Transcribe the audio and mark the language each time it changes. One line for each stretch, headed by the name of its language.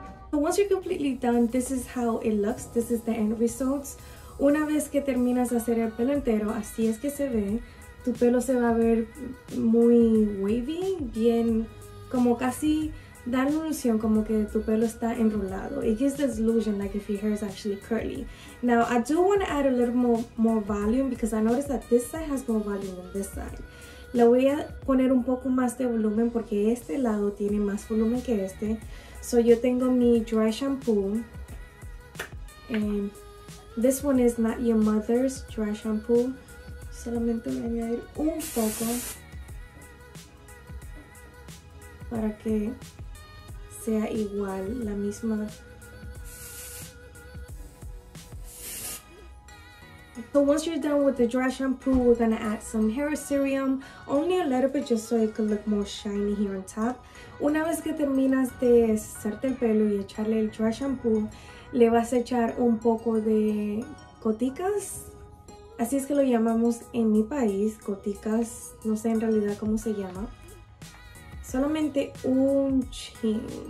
English: So once you're completely done, this is how it looks. This is the end results.
Spanish: Una vez que terminas de hacer el pelo entero, así es que se ve. Tu pelo se va a ver muy wavy, bien, como casi da la ilusión como que tu pelo está enrollado.
English: It gives this illusion like if your hair is actually curly. Now, I do want to add a little more volume because I noticed that this side has more volume than this side.
Spanish: Le voy a poner un poco más de volumen porque este lado tiene más volumen que este. So, yo tengo mi dry shampoo.
English: And this one is not your mother's dry shampoo.
Spanish: Solamente voy a añadir un poco para que sea igual, la misma.
English: So once you're done with the dry shampoo, we're gonna add some hair serum, only a little bit just so it could look more shiny here on top.
Spanish: Una vez que terminas de hacerte el pelo y echarle el dry shampoo, le vas a echar un poco de goticas. Así es que lo llamamos en mi país, goticas, no sé en realidad cómo se llama. Solamente un chin.